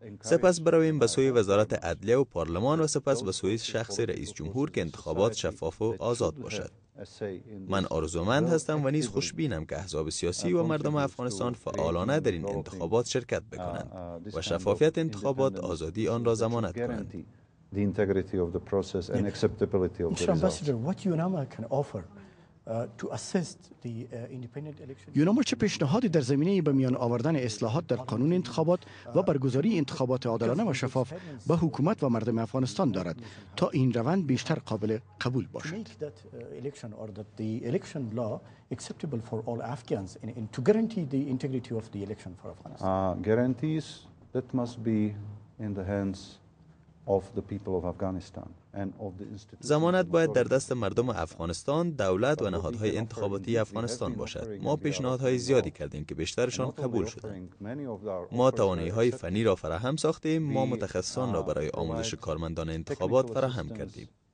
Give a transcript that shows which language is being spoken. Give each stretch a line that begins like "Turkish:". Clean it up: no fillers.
Persian: سپس برویم به سوی وزارت عدلیه و پارلمان و سپس به سوی شخص رئیس جمهور که انتخابات شفاف و آزاد باشد. من آرزومند هستم و نیز خوشبینم که احزاب سیاسی و مردم افغانستان فعالانه در این انتخابات شرکت بکنند و شفافیت انتخابات آزادی آن را ضمانت کنند.
English: The integrity of the process and acceptability of the results. Ambassador, what UNAMA can offer to assist the independent election?
Persian: UNAMA چه پیشنهادی در زمینه به میان آوردن اصلاحات در قانون انتخابات و برگزاری انتخابات عادلانه و شفاف به حکومت و مردم افغانستان دارد تا این روند بیشتر قابل قبول باشد?
English: Make that election or that the election law acceptable for all Afghans and to guarantee the integrity of the election for Afghanistan. Guarantees that must be in the hands of the people of Afghanistan and of the institutions.
Persian: ضمانت باید در دست مردم افغانستان، دولت و نهادهای انتخاباتی افغانستان باشد. ما پیشنهادهای زیادی کردیم که بیشترشان قبول شدند. ما توانایی‌های فنی را فراهم ساختیم، ما متخصصان را برای آموزش کارمندان انتخابات فراهم کردیم.